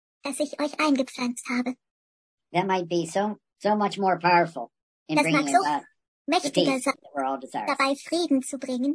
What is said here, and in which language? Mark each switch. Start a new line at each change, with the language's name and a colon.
German: Dass ich euch eingepflanzt habe.
English: That might be so much more powerful in
German: das
English: bringing
German: mag so mächtiger sein, dabei Frieden zu bringen.